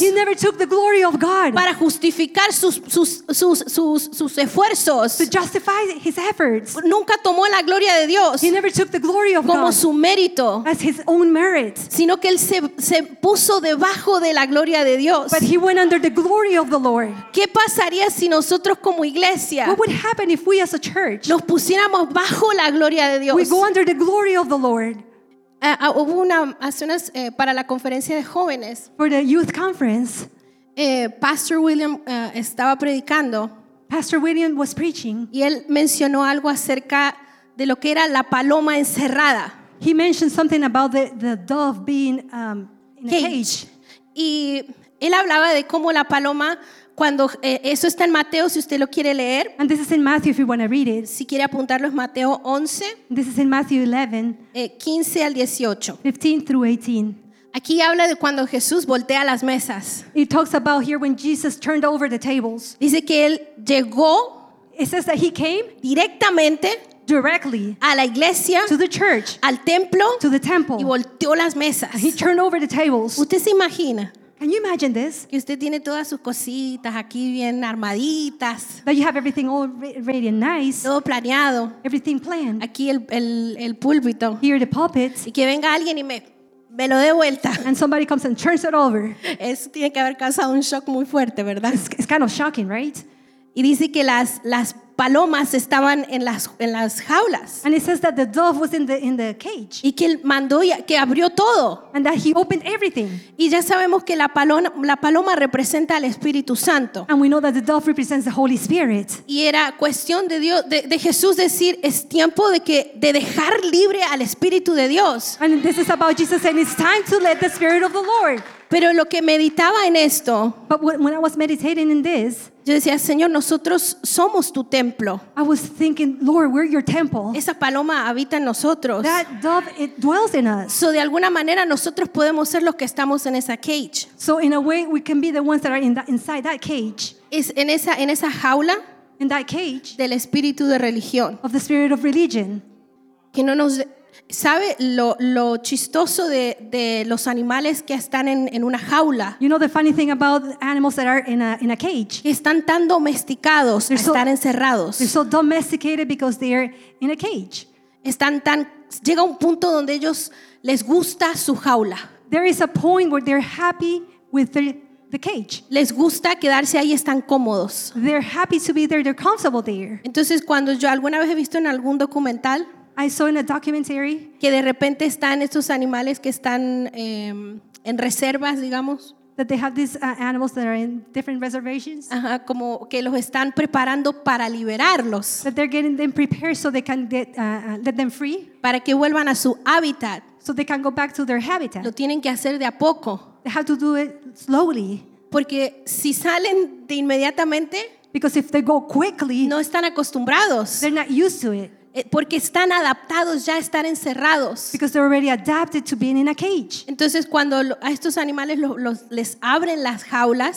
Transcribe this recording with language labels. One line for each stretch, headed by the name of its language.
English: He never took the glory of God.
Spanish: Para justificar sus esfuerzos.
English: To justify his efforts.
Spanish: Nunca tomó la gloria de Dios.
English: He never took the glory of
Spanish: como
English: God.
Spanish: Su mérito,
English: as his own merit,
Spanish: sino que él se puso debajo de la gloria de Dios.
English: But he went under the glory of the Lord.
Spanish: ¿Qué pasaría si nosotros como iglesia,
English: what would happen if we as a church,
Spanish: nos pusiéramos bajo la gloria de Dios?
English: We go under the glory of the Lord.
Spanish: Hubo una hace unas para la conferencia de jóvenes.
English: For the youth conference,
Spanish: Pastor William estaba predicando.
English: Pastor William was preaching.
Spanish: Y él mencionó algo acerca de lo que era la paloma encerrada.
English: He mentioned something about the dove being in a cage.
Spanish: Y él hablaba de cómo la paloma cuando eso está en Mateo si usted lo quiere leer.
English: And this is in Matthew if you want to read it.
Spanish: Si quiere apuntarlo es Mateo 11.
English: This is in Matthew 11.
Spanish: 15 al 18.
English: 15 through 18.
Spanish: Aquí habla de cuando Jesús voltea las mesas.
English: It talks about here when Jesus turned over the tables.
Spanish: Dice que él llegó.
English: It says that he came
Spanish: directamente.
English: Directly
Spanish: a la iglesia,
English: to the church,
Spanish: al templo,
English: to the temple,
Spanish: y volteó las mesas.
English: He turned over the tables.
Spanish: ¿Usted se imagina?
English: Can you imagine this?
Spanish: Que usted tiene todas sus cositas aquí bien armaditas.
English: That you have everything all ready and nice.
Spanish: Todo planeado.
English: Everything planned.
Spanish: Aquí el púlpito.
English: Here the pulpit.
Spanish: Y que venga alguien y me lo dé vuelta.
English: And somebody comes and turns it over.
Spanish: Eso tiene que haber causado un shock muy fuerte, ¿verdad?
English: It's kind of shocking, right?
Spanish: Y dice que las palomas estaban en las jaulas.
English: And it says that the dove was in the cage.
Spanish: Y que él mandó y que abrió todo.
English: And that he opened everything.
Spanish: Y ya sabemos que la paloma representa al Espíritu Santo.
English: And we know that the dove represents the Holy Spirit.
Spanish: Y era cuestión de Dios de Jesús decir es tiempo de dejar libre al Espíritu de Dios.
English: And this is about Jesus saying it's time to let the Spirit of the Lord.
Spanish: Pero lo que meditaba en esto,
English: but when I was meditating in this,
Spanish: yo decía, Señor, nosotros somos tu templo.
English: I was thinking, Lord, we're your temple.
Spanish: Esa paloma habita en nosotros.
English: That dove, it dwells in us.
Spanish: So de alguna manera nosotros podemos ser los que estamos en esa cage.
English: So in a way we can be the ones that are inside that cage.
Spanish: Es en esa jaula,
English: in that cage,
Spanish: del espíritu de religión.
English: Of the spirit of religion.
Spanish: Que no nos ¿sabe lo chistoso de los animales que están en una jaula?
English: You know the funny thing about animals that are in a cage.
Spanish: Están tan domesticados, están encerrados.
English: They're so domesticated because they're in a cage.
Spanish: Están tan llega un punto donde ellos les gusta su jaula.
English: There is a point where they're happy with the cage.
Spanish: Les gusta quedarse ahí, están cómodos.
English: They're happy to be there, they're comfortable there.
Spanish: Entonces cuando yo alguna vez he visto en algún documental
English: I saw in a documentary
Spanish: que de repente están estos animales que están en reservas, digamos.
English: That they have these animals that are in different reservations.
Spanish: Ajá, como que los están preparando para liberarlos.
English: That they're getting them prepared so they can get let them free.
Spanish: Para que vuelvan a su hábitat.
English: So they can go back to their habitat.
Spanish: Lo tienen que hacer de a poco.
English: They have to do it slowly.
Spanish: Porque si salen de inmediatamente,
English: because if they go quickly,
Spanish: no están acostumbrados.
English: They're not used to it.
Spanish: Porque están adaptados ya a estar encerrados.
English: Because they're already adapted to being in a cage.
Spanish: Entonces cuando a estos animales les abren las jaulas,